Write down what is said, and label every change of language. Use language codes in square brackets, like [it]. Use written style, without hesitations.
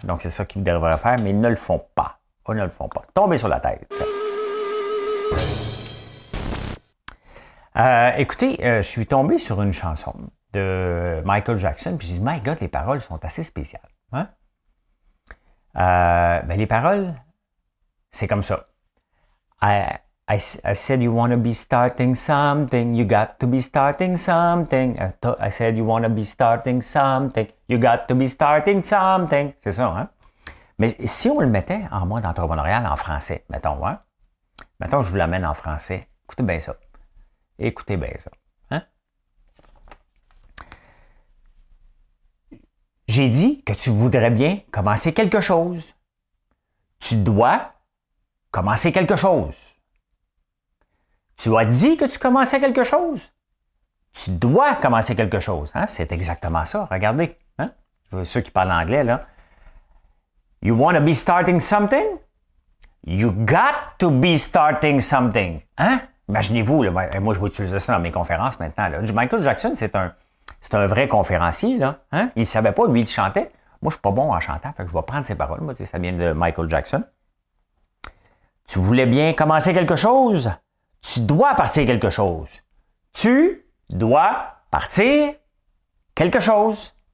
[fr] Donc, c'est ça qu'ils devraient faire, mais ils ne le font pas. Ils ne le font pas. Tombez sur la tête. Écoutez, je suis tombé sur une chanson de Michael Jackson, puis je dis, [en] my God, [fr] les paroles sont assez spéciales. Hein? Ben, les paroles, c'est comme ça. [en] I said you wanna be starting something, you got to be starting something. I said you wanna be starting something, you got to be starting something. [fr] C'est ça, hein? Mais si on le mettait en mode entrepreneurial en français, mettons, hein? Mettons, je vous l'amène en français. Écoutez bien ça. Écoutez bien ça. Hein? J'ai dit que tu voudrais bien commencer quelque chose. Tu dois commencer quelque chose. Tu as dit que tu commençais quelque chose. Tu dois commencer quelque chose. Hein? C'est exactement ça. Regardez. Hein? Je veux ceux qui parlent anglais, là. [en] You want to be starting something? You got to be starting something. [fr] Hein? Imaginez-vous, là, moi, je vais utiliser ça dans mes conférences maintenant. Là. Michael Jackson, c'est un vrai conférencier. Là. Hein? Il ne savait pas, lui, il chantait. Moi, je ne suis pas bon en chantant. Fait que je vais prendre ses paroles. Moi, ça vient de Michael Jackson. Tu voulais bien commencer quelque chose? Tu dois partir quelque chose. Tu dois partir quelque chose.